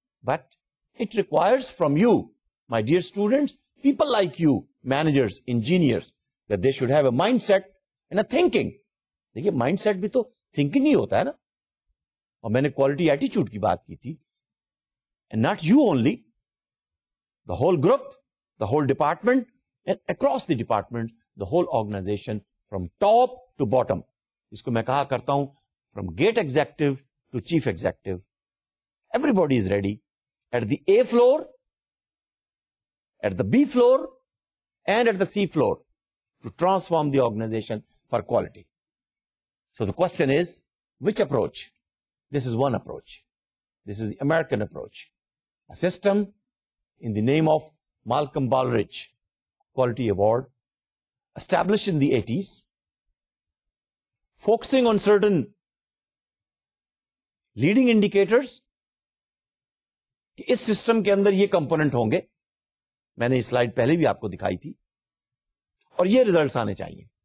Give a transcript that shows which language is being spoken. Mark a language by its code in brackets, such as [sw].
[en] But it requires from you, my dear students, people like you, managers, engineers, that they should have a mindset and a thinking. [ur] دیکھیے mind set بھی تو thinking ہی ہوتا ہے نا. اور میں نے کوالٹی ایٹیچیوڈ کی بات کی تھی. [en] And not you only the whole group the whole department and across the department the whole organisation from top to bottom. [ur] اس کو میں کہا کرتا ہوں [en] from gate executive to chief executive. Everybody is ready at the A floor, at the B floor and at the C floor to transform the organization for quality. So the question is, which approach? This is one approach. This is the American approach. A system in the name of Malcolm Baldrige Quality Award established in the 80s. Focusing on certain leading indicators [ur] کہ اس system کے اندر یہ component ہوں گے. میں نے یہ slide پہلے بھی آپ کو دکھائی تھی اور یہ ریزلٹس آنے چاہیے.